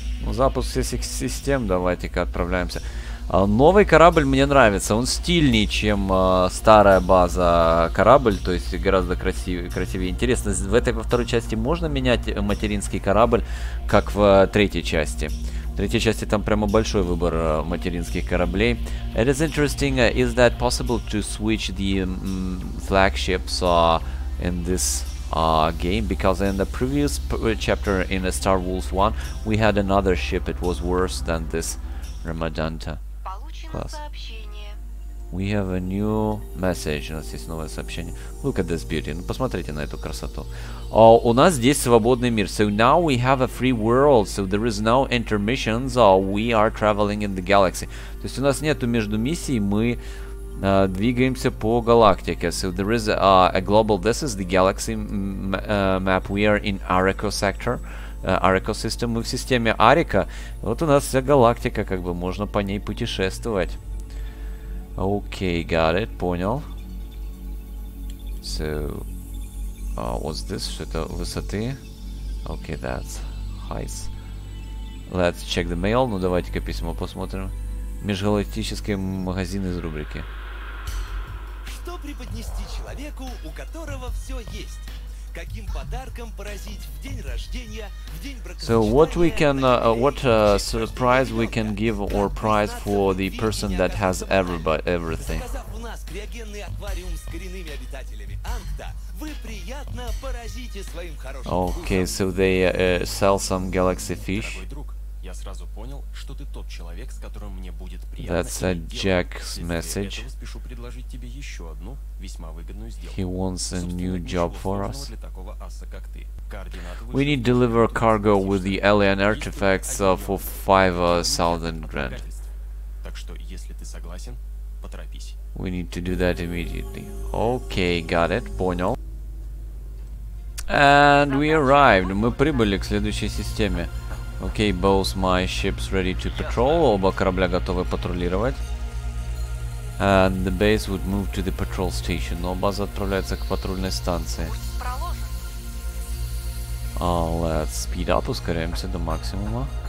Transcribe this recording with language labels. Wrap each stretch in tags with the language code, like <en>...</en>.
<ru>Запуск всех систем, давайте-ка отправляемся. Новый корабль мне нравится. Он стильнее, чем старая база корабль. То есть гораздо красивее. Интересно, в этой во второй части можно менять материнский корабль, как в третьей части? В третьей части там прямо большой выбор материнских кораблей.</ru> <en>It is interesting, is that possible to switch the flagships in this game? Because in the previous chapter in Star Wars 1, we had another ship, it was worse than this Ramadanta class. We have a new message.</en> <ru>У нас есть новое сообщение.</ru> <en>Look at this beauty.</en> <ru>Ну, посмотрите на эту красоту. У нас здесь свободный мир.</ru> <en>So now we have a free world. So there is no intermissions. We are traveling in the galaxy.</en> <ru>То есть у нас нету между миссий. Мы двигаемся по галактике.</ru> <en>So there is a global. This is the galaxy map. We are in Arico sector. Arico system.</en> <ru>Мы в системе Арика. Вот у нас вся галактика. Как бы можно по ней путешествовать.</ru> <en>Okay, got it,</en> <ru>понял.</ru> <en>So, what's this?</en> <ru>Что это высоты?</ru> <en>Okay, that's heights. Let's check the mail.</en> <ru>Ну, давайте-ка письмо посмотрим. Межгалактический магазин из рубрики. Что преподнести человеку, у которого все есть? Каким подарком поразить в день рождения, в день бракосочетания?</ru> <en>So what we can what surprise we can give or prize for the person that has everything.</en> <ru>У нас криогенный аквариум с коренными обитателями Анкта. Вы приятно поразите своим хорошим.</ru> <en>Okay, so they sell some galaxy fish.</en> <ru>Я сразу понял, что ты тот человек, с которым мне будет приятно.</ru> <en>That's a Jack's message.</en> <ru>Я спешу предложить тебе еще одну весьма выгодную сделку.</ru> <en>He wants a new job for us.</en> <ru>Для такого аса, как ты.</ru> <en>We need to deliver cargo with the alien artifacts for 5,000 grand.</en> <ru>Так что, если ты согласен, поторопись.</ru> <en>We need to do that immediately. Okay, got it.</en> <ru>Понял.</ru> <en>And we arrived.</en> <ru>Мы прибыли к следующей системе.</ru> <en>Okay, both my ships ready to patrol.</en> <ru>Оба корабля готовы патрулировать.</ru> <en>And the base would move to the patrol station.</en> <ru>Но база отправляется к патрульной станции.</ru> <en>Let's speed up.</en> <ru>Ускоряемся до максимума.</ru>